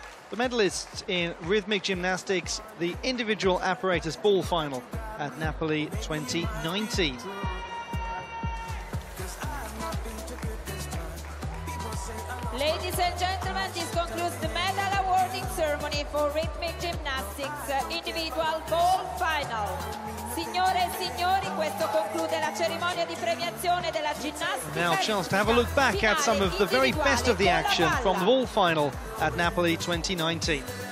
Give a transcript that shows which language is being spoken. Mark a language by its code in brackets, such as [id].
[en] The medalists in rhythmic gymnastics, the individual apparatus ball final at Napoli 2019. Ladies and gentlemen, this concludes the medal awarding ceremony for rhythmic gymnastics individual ball final. [it] Signore e signori, questo conclude la cerimonia di premiazione della ginnastica. [en] Now, chance to have a look back at some of the very best of the action from the ball final at Napoli 2019.